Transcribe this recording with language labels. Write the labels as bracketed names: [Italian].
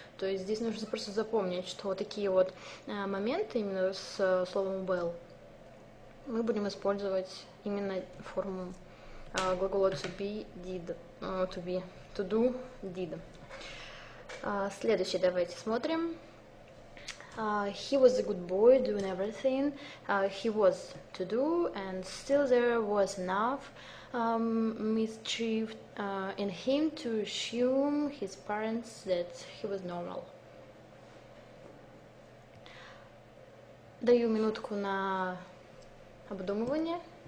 [Russian] То есть здесь нужно просто запомнить, что такие вот моменты именно с словом well – мы будем использовать именно форму глагола to be, did, to be, to do, did. Следующий давайте смотрим. [English] He was a good boy doing everything. He was to do, and still there was enough mischief in him to assume his parents that he was normal. [Russian] Даю минутку на обдумывание.